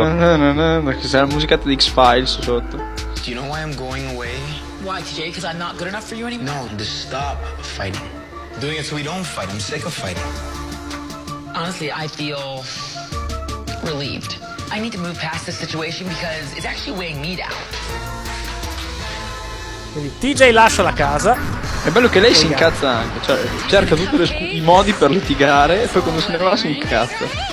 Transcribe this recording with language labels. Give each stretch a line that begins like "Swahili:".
Italian: Perché c'è la musicata di X-Files sotto.
English: Do you know why I'm going away? Why, TJ? Cause I'm not good enough for you anymore? No, just stop fighting. Doing it so we don't fight. I'm sick of fighting. Honestly, I feel relieved. I need to move past this situation because it's actually weighing me down.
Italian: TJ lascia la casa. È bello che lei si incazza anche, cioè cerca tutti i modi per litigare e poi quando se ne va si incazza.